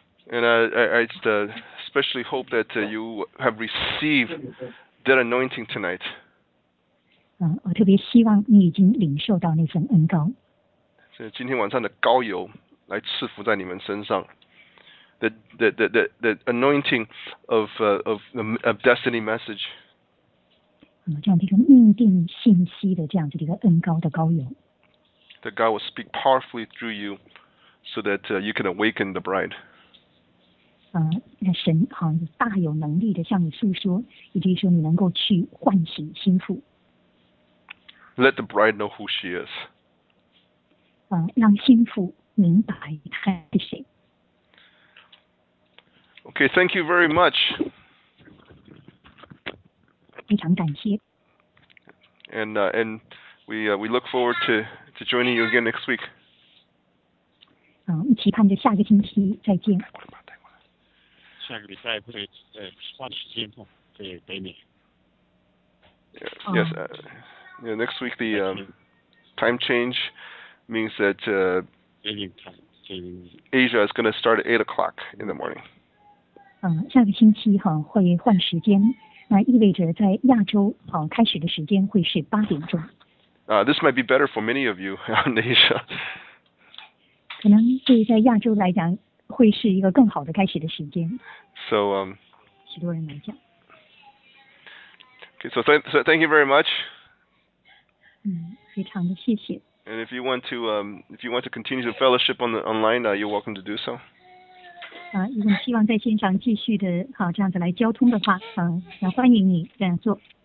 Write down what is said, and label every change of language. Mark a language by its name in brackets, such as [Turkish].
[English] And I just especially hope that you have received that anointing tonight. [Chinese] 我特别希望你已经领受到那份恩膏。是今天晚上的膏油来赐福在你们身上。 [English] The anointing of destiny message. [Chinese] 这样的一个命定信息的这样子的一个恩膏的膏油。 [English] That God will speak powerfully through you, so that you can awaken the bride. [Chinese] 那神好像大有能力的向你诉说，以及说你能够去唤醒心腹。 [English] Let the bride know who she is. [Chinese] 让心腹明白她是谁。 [English] Okay, thank you very much. [Chinese] 非常感谢。 [English] And we look forward to joining you again next week. [Chinese] 期盼着下个星期再见。下个礼拜不是换时间吗？在北美。 [English] Yes. Yeah, next week, the time change means that Asia is going to start at 8 o'clock in the morning. [Chinese] 下个星期会换时间，那意味着在亚洲开始的时间会是八点钟。 [English] This might be better for many of you in Asia. [Chinese] 可能对于在亚洲来讲会是一个更好的开始的时间。 [English] So, [Chinese] 许多人来讲。 [English] Okay, so thank you very much. [Chinese] 非常的谢谢。 [English] And if you want to continue the fellowship online, you're welcome to do so. [Chinese] 如果希望在线上继续的这样子来交通的话，那欢迎你这样做。